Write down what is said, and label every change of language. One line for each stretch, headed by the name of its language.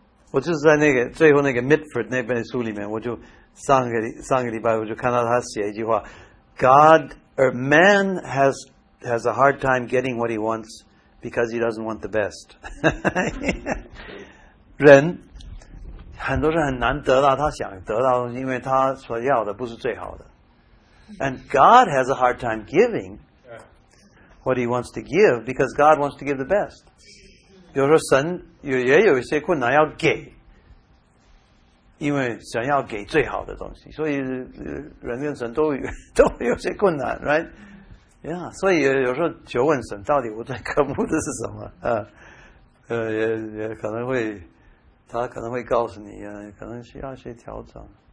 Chinese: 我就是在那个最后那个 Mitford 那本书里面，我就上个礼拜我就看到他写一句话，
English: God or man has a hard time getting what he wants because he doesn't want the best.
Chinese: 人很多人很难得到他想得到的，因为他所要的不是最好的。
English: And God has a hard time giving what he wants to give because God wants to give the best.
Chinese: 比如说神也有一些困难要给，因为神要给最好的东西，所以人跟神都有些困难， right? Yeah, 所以有时候求问神到底我最渴慕的是什么、也可能会他可能会告诉你、可能需要一些调整。